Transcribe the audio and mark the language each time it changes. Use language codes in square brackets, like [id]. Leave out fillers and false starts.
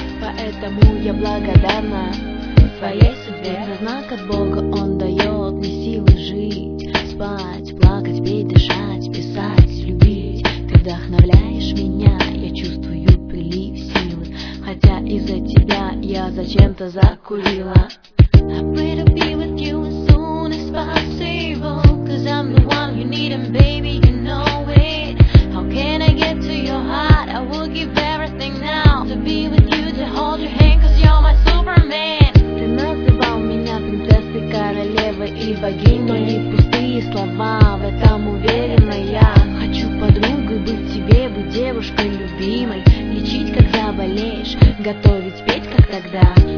[ru] Поэтому я благодарна своей судьбе. Это знак от Бога, он дает мне силы жить, спать, плакать, петь, дышать, писать, любить. Ты вдохновляешь меня, я чувствую прилив силы. Хотя из-за тебя я зачем-то закурила. [en] I'm ready to be with you as soon as possible. Cause I'm the one you need and baby you know it. How can I get to your heart? I will give everything now to be with you, to hold your hand, cause you're my superman. [ru] Ты называл меня принцессой, королевой и богиней. Но не пустые слова, в этом уверена я. Хочу подругой быть тебе, быть девушкой любимой. Лечить, когда болеешь, готовить, петь, как тогда.